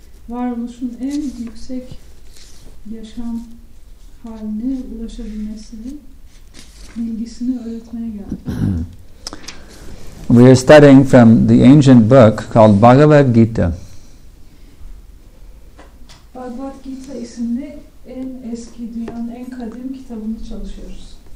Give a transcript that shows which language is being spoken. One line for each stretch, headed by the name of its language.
Turkish: Varoluşun en yüksek yaşam haline ulaşabilmesini, bilgisini öğretmeye geldik.
English: We are studying from the ancient book called Bhagavad Gita.
Turkish: Bhagavad Gita isimli en eski dünyanın en kadim kitabını çalışıyoruz.